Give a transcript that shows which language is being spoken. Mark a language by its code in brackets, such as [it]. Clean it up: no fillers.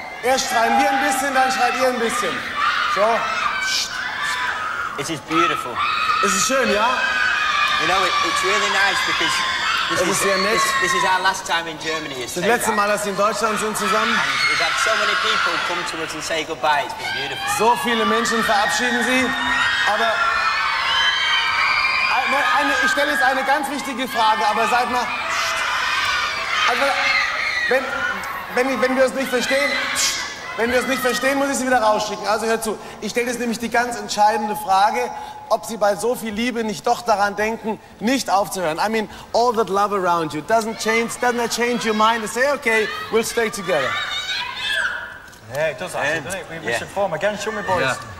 [de] Erst schreien wir ein bisschen, dann schreit ihr ein bisschen. So. [en] It is beautiful. [de] Es ist schön, ja? [en] You know, it's really nice because [de] es ist sehr nett. [en] This is our last time in Germany. [de] Das letzte Mal, dass sie in Deutschland sind zusammen. [en] We've had so many people come to us and say goodbye. It's been beautiful. [de] So viele Menschen verabschieden sie. Aber ich stelle jetzt eine ganz wichtige Frage. Aber sag mal, also wenn wir es nicht verstehen, muss ich sie wieder rausschicken. Also hör zu. Ich stelle jetzt nämlich die ganz entscheidende Frage, ob sie bei so viel Liebe nicht doch daran denken, nicht aufzuhören. [en] I mean, all that love around you, doesn't that change your mind to say, okay, we'll stay together? Yeah, it does actually, doesn't it? We should form again, show me boys. Yeah.